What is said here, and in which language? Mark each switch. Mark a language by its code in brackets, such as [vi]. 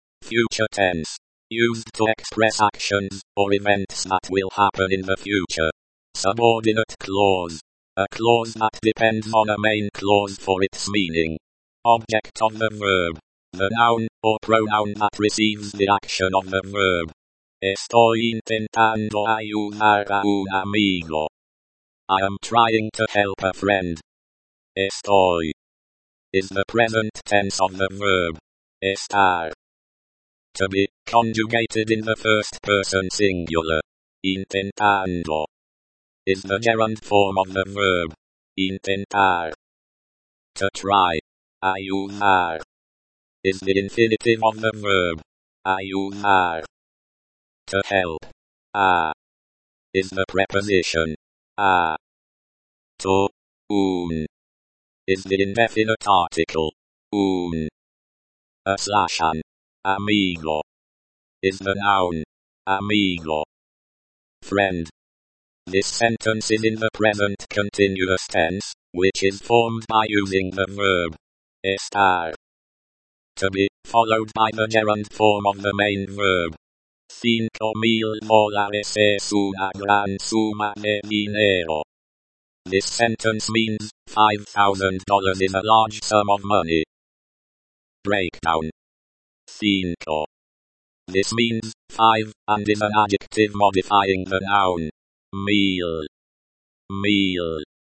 [en] Future tense, used to express actions or events that will happen in the future. Subordinate clause. A clause that depends on a main clause for its meaning. Object of the verb. The noun or pronoun that receives the action of the verb. [es] Estoy intentando ayudar a un amigo. [en] I am trying to help a friend. Estoy. Is the present tense of the verb. Estar. To be conjugated in the first person singular. Intentando. Is the gerund form of the verb intentar. To try. Ayudar. Is the infinitive of the verb ayudar. To help. A. Is the preposition. A. To. Un. Is the indefinite article. Un. A slash an. Amigo. Is the noun. Amigo. Friend. This sentence is in the present continuous tense, which is formed by using the verb estar. To be, followed by the gerund form of the main verb. [es] $5,000 es una gran suma de dinero. [en] This sentence means, $5,000 is a large sum of money. Breakdown. Cinco. This means 5 and is an adjective modifying the noun meal. Meal.